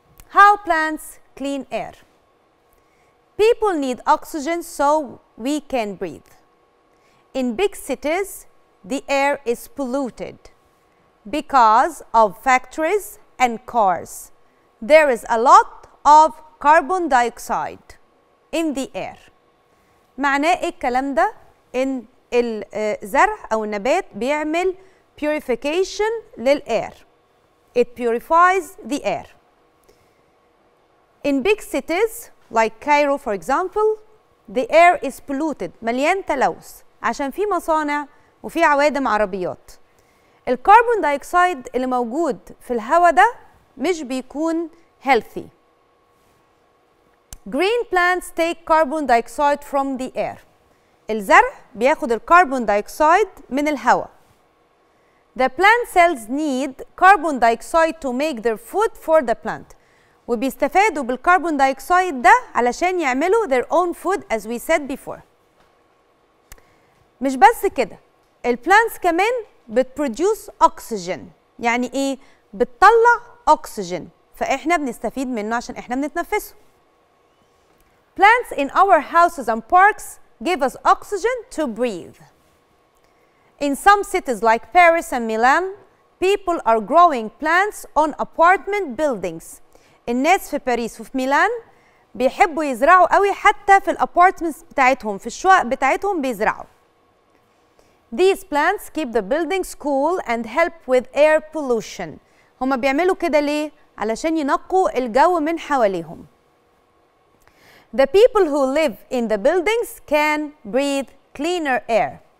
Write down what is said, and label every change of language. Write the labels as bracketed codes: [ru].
[en] How plants clean air. People need oxygen so we can breathe. In big cities, the air is polluted because of factories and cars. There is a lot of carbon dioxide in the air. [ar] معناه ايه الكلام ده؟ ان الزرع او النبات بيعمل purification للاير. [en] It purifies the air. In big cities like Cairo for example, the air is polluted, [ar] مليان تلوث عشان في مصانع وفي عوادم عربيات. الكربون دايوكسيد اللي موجود في الهواء ده مش بيكون healthy. [en] Green plants take carbon dioxide from the air. [ar] الزرع بياخد الكربون دايوكسيد من الهواء. [en] The plant cells need carbon dioxide to make their food for the plant. [ar] وبيستفادوا بالكربون دايوكسيد ده علشان يعملوا [en] their own food as we said before. [ar] مش بس كده. البلانتس كمان بتبروديوس أكسجين. يعني إيه؟ بتطلع أكسجين. فإحنا بنستفيد منه عشان إحنا بنتنفسه. [en] Plants in our houses and parks give us oxygen to breathe. In some cities like Paris and Milan, people are growing plants on apartment buildings. [ar] الناس في باريس وفي ميلان بيحبوا يزرعوا قوي حتى في الابارتمنتس بتاعتهم في الشقق بتاعتهم بيزرعوا. [en] These plants keep the buildings cool and help with air pollution. [ar] هما بيعملوا كده ليه؟ علشان ينقوا الجو من حواليهم. [en] The people who live in the buildings can breathe cleaner air.